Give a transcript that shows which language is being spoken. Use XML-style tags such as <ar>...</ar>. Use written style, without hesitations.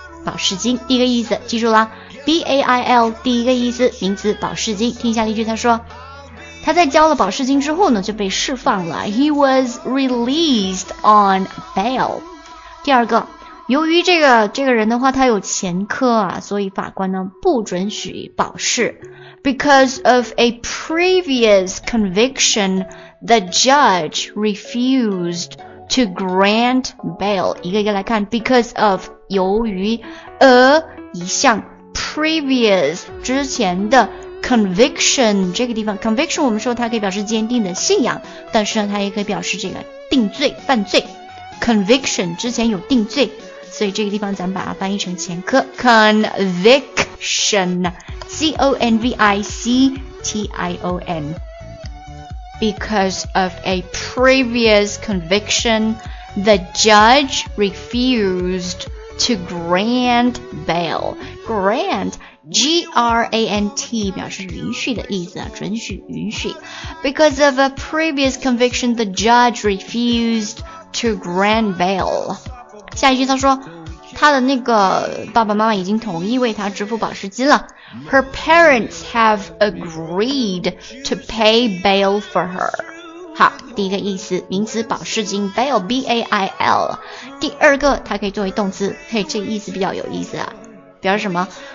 <zh>保释金，第一个意思记住了 BAIL 第一个意思名词保释金。听一下例句，他说他在交了保释金之后呢就被释放了，</zh> <en>He was released on bail。</en> <zh>第二个，由于这个人的话他有前科啊，所以法官呢不准许保释。</zh> <en>Because of a previous convictionThe judge refused to grant bail.</en> <zh>一个一个来看，</zh> <en>because of</en> <zh>由于 a 一项 previous 之前的 conviction 这个地方 conviction 我们说它可以表示坚定的信仰，但是呢它也可以表示这个定罪犯罪 conviction 之前有定罪，所以这个地方咱们把它翻译成前科 conviction C-O-N-V-I-C-T-I-O-</zh> <en>nBecause of a previous conviction, the judge refused to grant bail.</en> <zh>Grant, G-R-A-N-T, 表示允许的意思啊，准许允许。</zh> <en>Because of a previous conviction, the judge refused to grant bail.</en> <zh>下一句他说，他的那个爸爸妈妈已经同意为他支付保释金了。</zh> <en>Her parents have agreed to pay bail for her.</en> <zh>好，第一个意思，名词保释金 bail, B-A-I-L. 第二个，它可以作为动词，嘿，这意思比较有意思啊，表示什么？</zh>